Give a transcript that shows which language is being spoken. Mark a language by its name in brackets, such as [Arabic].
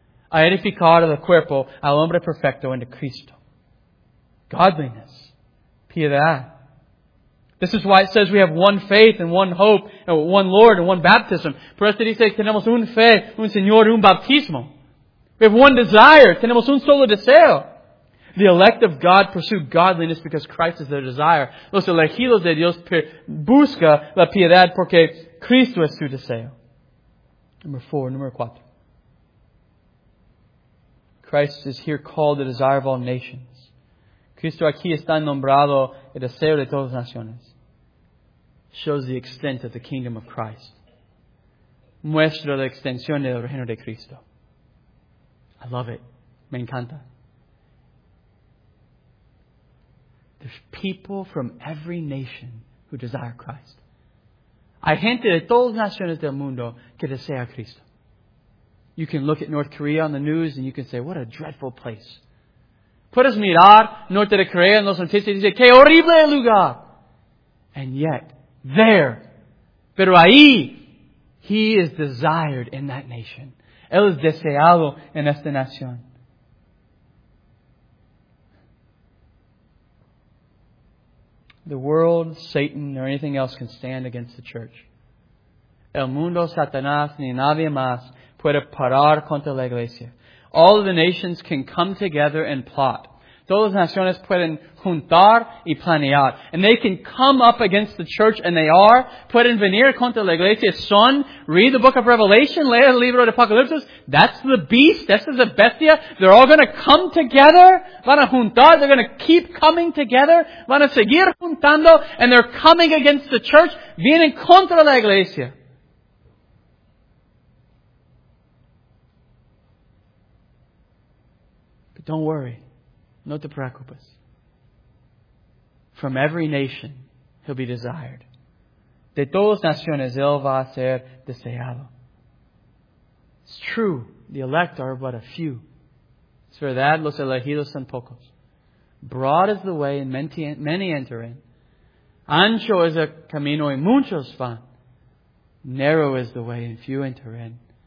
[Spanish] A edificar el cuerpo al hombre perfecto into Cristo. [English] Godliness. [Spanish] Piedad. [English] This is why it says we have one faith and one hope, and one Lord and one baptism. [Spanish] Por eso dice, tenemos un fe, un Señor, un baptismo. [English] We have one desire. [Spanish] Tenemos un solo deseo. [English] The elect of God pursue godliness because Christ is their desire. [Spanish] Los elegidos de Dios busca la piedad porque Cristo es su deseo. Número 4. [English] Christ is here called the desire of all nations. [Spanish] Cristo aquí está nombrado el deseo de todas las naciones. [English] Shows the extent of the kingdom of Christ. [Spanish] Muestra la extensión del reino de Cristo. [English] I love it. [Spanish] Me encanta. [English] There's people from every nation who desire Christ. [Spanish] Hay gente de todas las naciones del mundo que desea a Cristo. [English] You can look at North Korea on the news and you can say, what a dreadful place. [Spanish] Puedes mirar Norte de Corea en los noticias y dice, qué horrible lugar. [English] And yet, there, [Spanish] pero ahí, [English] He is desired in that nation. [Spanish] Él es deseado en esta nación. [English] The world, Satan, or anything else can stand against the church. [Spanish] El mundo, Satanás, ni nadie más puede parar contra la iglesia. [English] All of the nations can come together and plot. [Spanish] Todas las naciones pueden juntar y planear. [English] And they can come up against the church, and they are. [Spanish] Pueden venir contra la iglesia. Son, [English] read the book of Revelation, [Spanish] lee el libro de Apocalipsis. [English] That's the beast. This is a bestia. They're all going to come together. [Spanish] Van a juntar. [English] They're going to keep coming together. [Spanish] Van a seguir juntando. [English] And they're coming against the church. [Spanish] Vienen contra la iglesia. [English] But don't worry. [Spanish] No te preocupes. [English] From every nation, he'll be desired. [Spanish] De todas naciones, él va a ser deseado. [English] It's true, the elect are but a few. [Spanish] Es verdad, los elegidos son pocos. [English] Broad is the way, and many enter in. [Spanish] Ancho es el camino, y muchos van. [English] Narrow is the way, and few enter in.